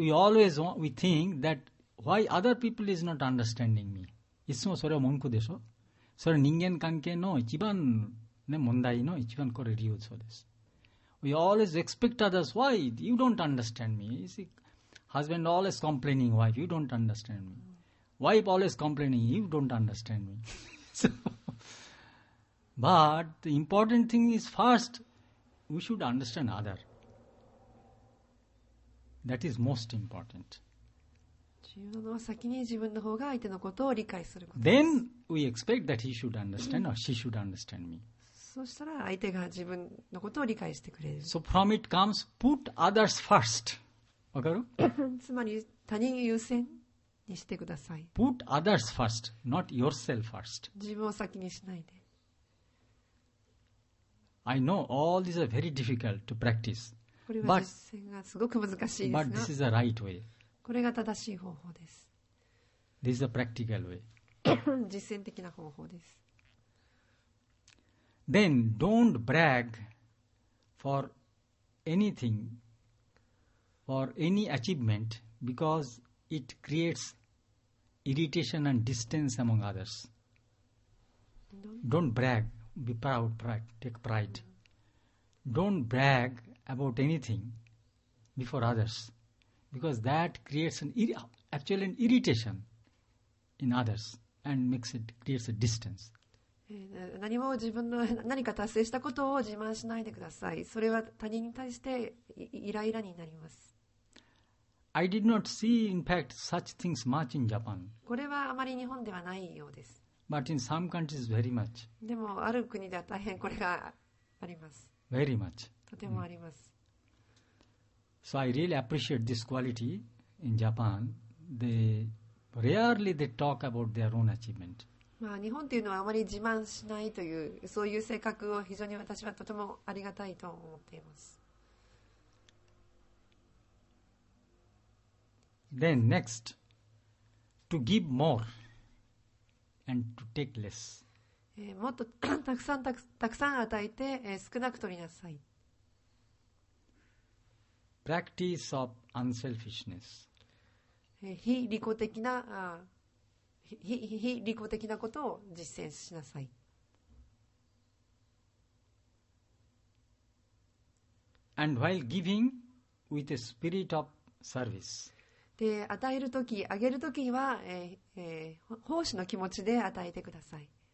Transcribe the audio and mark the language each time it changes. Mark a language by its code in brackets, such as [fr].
[en] We always we think that why other people is not understanding me. [ja] いつもそれは文句でしょ。それは人間関係の一番、ね、問題の一番これ理由そうです。 [en] We always expect others. Why? You don't understand me. You see, husband always complaining. Wife, you don't understand me. Wife always complaining. You don't understand me. So, but the important thing is first, we should understand other. That is most important. [ja] 自分の先に自分の方が相手のことを理解することです。 [en] Then we expect that he should understand or she should understand me. [ja] そしたら相手が自分のことを理解してくれる。 [en] So from it comes, put others first. [ja] わかる？つまり他人優先にしてください。 [en] Put others first, not yourself first. [ja] 自分を先にしないで。 [en] I know all these are very difficult to practice. [ja] これは実践がすごく難しいですが。 [en] But this is the right way. [ja] これが正しい方法です。 [en] This is a practical way. [ja] 実践的な方法です。 [en] Then don't brag for anything, for any achievement, because it creates irritation and distance among others. Don't brag, be proud, pride, take pride. Don't brag about anything before others, because that creates an irritation in others and creates a distance. [ja] 何も自分の何か達成したことを自慢しないでください。それは他人に対してイライラになります。 [en] I did not see in fact such things much in Japan. [ja] これはあまり日本ではないようです。 [en] But in some countries very much. [ja] でもある国では大変これがあります。 [en] Very much. [ja] とてもあります、 [en] So I really appreciate this quality in Japan. They rarely they talk about their own achievement [ja] まあ、日本というのはあまり自慢しないというそういう性格を非常に私はとてもありがたいと思っています。 [en] Then next, to give more and to take less. [ja] もっとたくさん与えて、少なく取りなさい。 [en] Practice of unselfishness. [ja] 非利己的な非利己的なことを実践しなさい。 [en] And while giving, with a spirit of service. [ja] で、与えるとき、あげるときは、奉仕の気持ちで与えてください。